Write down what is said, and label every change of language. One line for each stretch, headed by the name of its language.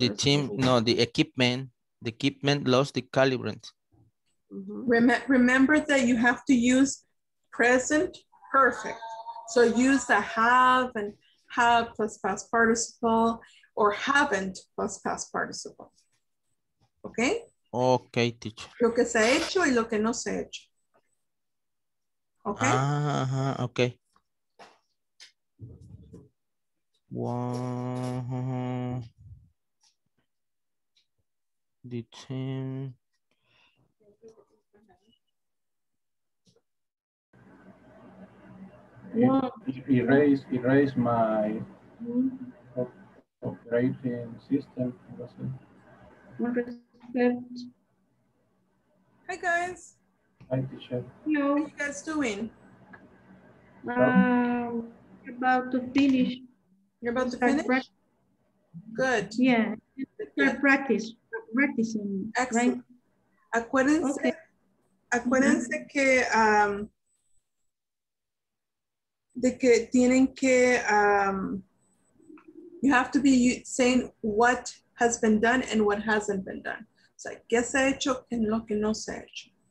English: The team, no, the equipment lost the calibrant. Mm-hmm. Remember that you have to use present perfect. So use the have and have plus past participle or haven't plus past participle. Okay? Okay, teacher.
Spanish: Lo que se ha hecho y lo que no se ha hecho.
English: Okay? Uh-huh, okay. One, the team. Erase my operating system. Hi guys. Hi teacher. Hello. How are you guys doing? About to finish. You're about to finish? Good. Yeah. Good. Practicing. Excellent. Right?
Spanish: Acuérdense mm-hmm. que de que tienen que
English: you have to be saying what has been done and what hasn't been done.
Spanish: So, ¿qué se ha hecho en lo que no se ha hecho?